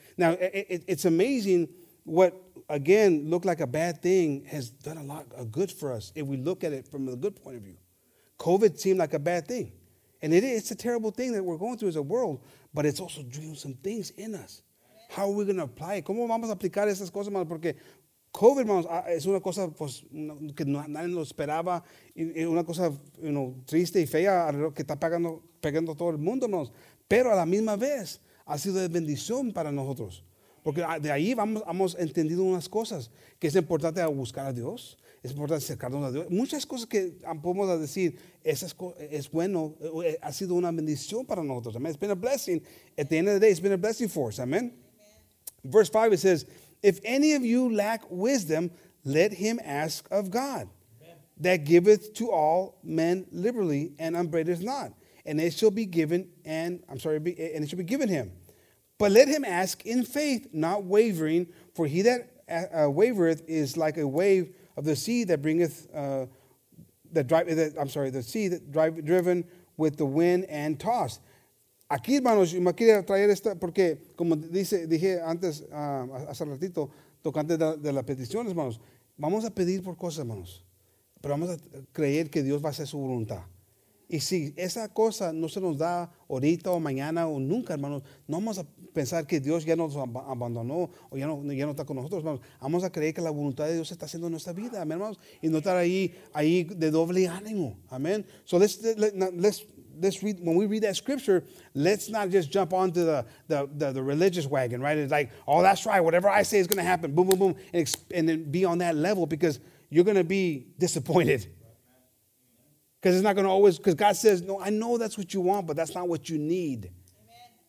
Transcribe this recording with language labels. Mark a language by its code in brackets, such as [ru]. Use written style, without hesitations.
[en] Now, it's amazing what, again, looked like a bad thing has done a lot of good for us if we look at it from a good point of view. COVID seemed like a bad thing. And it's a terrible thing that we're going through as a world, but it's also doing some things in us. How are we going to apply it? [es] ¿Cómo vamos a aplicar esas cosas, hermanos? Porque COVID, hermanos, es una cosa pues, que nadie lo esperaba. Es una cosa, [en] you know, [es] triste y fea que está pegando todo el mundo, hermanos. Pero a la misma vez ha sido de bendición para nosotros. Porque de ahí hemos entendido unas cosas. Que es importante buscar a Dios. Es importante acercarnos a Dios. Muchas cosas que podemos decir, esas es bueno, ha sido una bendición para nosotros. [en] Amen. It's been a blessing. At the end of the day, it's been a blessing for us. Amen. Verse 5, it says, if any of you lack wisdom, let him ask of God, amen, that giveth to all men liberally and upbraideth not, and it shall be given, and it shall be given him. But let him ask in faith, not wavering, for he that wavereth is like a wave of the sea that bringeth, driven with the wind and tossed. [es] Aquí, hermanos, me quería traer esta, porque como dije antes, hace ratito, tocante de las peticiones, hermanos, vamos a pedir por cosas, hermanos, pero vamos a creer que Dios va a hacer su voluntad. Y si esa cosa no se nos da ahorita o mañana o nunca, hermanos, no vamos a pensar que Dios ya nos abandonó o ya no está con nosotros, hermanos. Vamos a creer que la voluntad de Dios está haciendo nuestra vida, amén, hermanos, y no estar ahí de doble ánimo, amén. [en] So let's read, when we read that scripture, let's not just jump onto the religious wagon, right? It's like, oh, that's right, whatever I say is going to happen, boom, boom, boom, and then be on that level because you're going to be disappointed. Because it's not going to always, because God says, no, I know that's what you want, but that's not what you need. Amen.